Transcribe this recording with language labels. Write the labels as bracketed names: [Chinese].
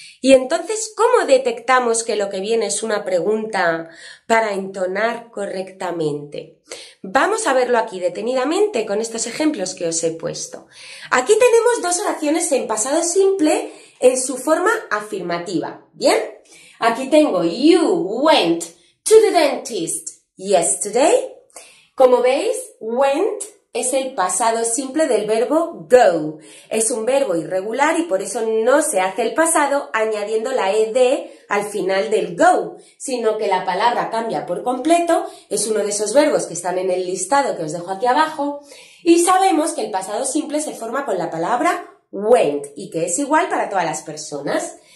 [Spanish] Y entonces, ¿cómo detectamos que lo que viene es una pregunta para entonar correctamente? Vamos a verlo aquí detenidamente con estos ejemplos que os he puesto. Aquí tenemos dos oraciones en pasado simple en su forma afirmativa. ¿Bien? Aquí tengo [English] You went to the dentist yesterday. [Spanish] Como veis, went es el pasado simple del verbo go. Es un verbo irregular y por eso no se hace el pasado añadiendo la ed al final del go, sino que la palabra cambia por completo. Es uno de esos verbos que están en el listado que os dejo aquí abajo. Y sabemos que el pasado simple se forma con la palabra went y que es igual para todas las personas.